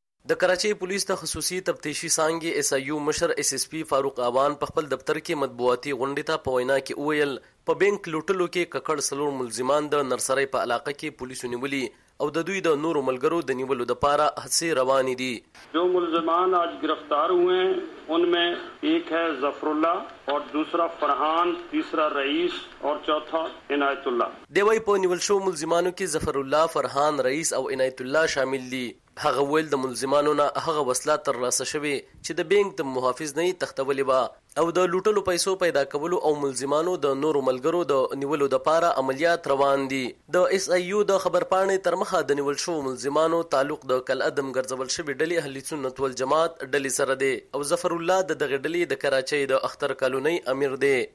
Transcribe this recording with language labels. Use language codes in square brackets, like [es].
[ps] د کراچی پولیس د خصوصي تفتیشي څانګې ایس آی یو مشر ایس ایس پی فاروق اوان په خپل دفتر کې مطبوعاتي غونډې ته په وینا کې وویل په بینک لوټلو کې ککړ سلور ملزمان د نرسرۍ په علاقه کې پولیسو نیولي، او د دوی د نورو ملګرو د نیولو د پاره هڅې روانې دي. [ur] جو ملزمان آج گرفتار ہوئے ہیں ان میں ایک ہے ظفر اللہ اور دوسرا فرحان، تیسرا رئیس اور چوتھا عنایت اللہ. [ps] دیوائی پو نیول شو ملزمانو کی ظفر اللہ، فرحان، رئیس او عنایت اللہ شامل دی. هغه ویل د ملزمانو نه هغه وسله ترلاسه شوې چې د بینک د محافظ نه یې تښتولې وه، او د لوټلو پیسو پیدا کولو او ملزمانو د نورو ملګرو د نیولو دپاره عملیات روان دي. د اس ای یو د خبر پاڼې تر مخه د نیول شوو ملزمانو تعلق د کل ادم ګرځول شوې ډلې اهل سنت والجماعت ډلې سره دی، او ظفر الله د دغې ډلې د کراچۍ د اختر کالونۍ امیر دی.